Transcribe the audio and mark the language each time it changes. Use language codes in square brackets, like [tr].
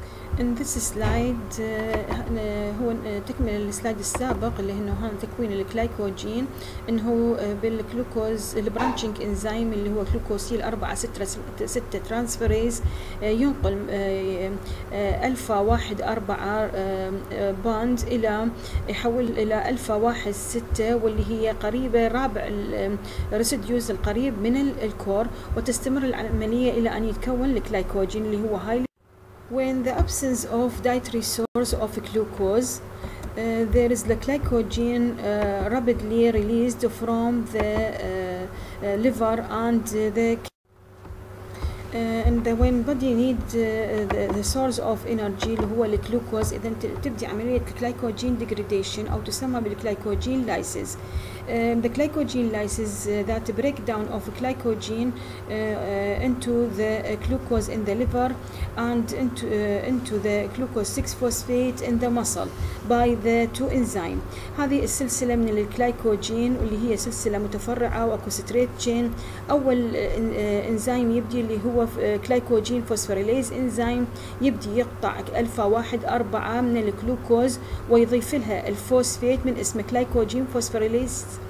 [en] In this slide, [ar] هو تكمل السلايد السابق اللي هنا هان تكوين الكلايكوجين, إنه بالكلوكوز البرانشينج إنزيم اللي هو كلوكوسيل 4-6 ترانسفيريز ينقل ألفا واحد أربعة باند إلى يحول إلى ألفا واحد ستة واللي هي قريبة رابع الريسيديوز القريب من الكور, وتستمر العملية إلى أن يتكون الكلايكوجين اللي هو هاي. [en] When the absence of dietary source of glucose, there is the glycogen rapidly released from the liver and the kidney. and when body need the source of energy [ar] اللي هو الجلوكوز إذن تبدي عملية [en] glycogen degradation [ar] أو تسمى [en] بالglycogen lysis. The glycogen lysis that breakdown of glycogen into the glucose in the liver and into the glucose 6 phosphate in the muscle by the two enzyme. [ar] هذه السلسلة من الglycogen واللي هي سلسلة متفرعة وأكو straight chain. أول enzyme يبدي اللي هو glycogen phosphorylase enzyme يبدي يقطع الفا 1-4 من الجلوكوز ويضيف لها الفوسفيت من اسم glycogen phosphorylase.